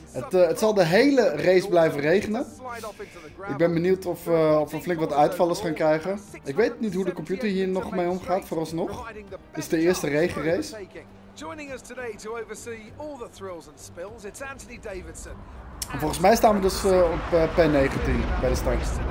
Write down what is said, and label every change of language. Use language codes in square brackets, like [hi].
[nl] Het zal de hele race blijven regenen. Ik ben benieuwd of we flink wat uitvallers gaan krijgen. Ik weet niet hoe de computer hier nog mee omgaat, vooralsnog. Het is de eerste regenrace. [en] Joining us today to oversee all the thrills and spills, it's Anthony Davidson. [nl] En volgens mij staan we dus op P19 bij de start.